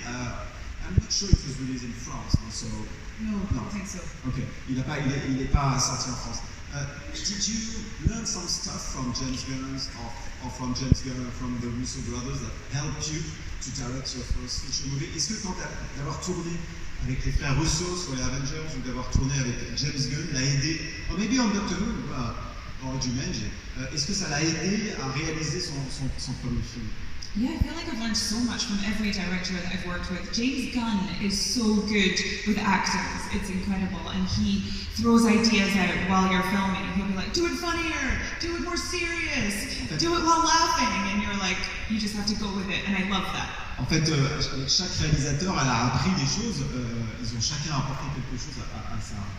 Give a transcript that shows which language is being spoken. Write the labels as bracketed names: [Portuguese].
[English] I'm not sure it was released in France, so... No, I don't think so. [French] Okay, il n'est pas sorti en France. [English] Did you learn some stuff from James Gunn or from the Russo brothers that helped you to direct your first feature movie? [French] Est-ce que quand d'avoir tourné avec les frères Russo sur les Avengers ou d'avoir tourné avec James Gunn l'a aidé? [English] Or maybe on Doctor Who, or Jumanji, [French] est-ce que ça l'a aidé à réaliser son premier film? [English] Yeah, I feel like I've learned so much from every director that I've worked with. James Gunn is so good with actors, it's incredible, and he throws ideas out while you're filming. He'll be like, do it funnier, do it more serious, do it while laughing, and you're like, you just have to go with it, and I love that. [French] En fait, chaque réalisateur a appris des choses, ils ont chacun apporté quelque chose à ça.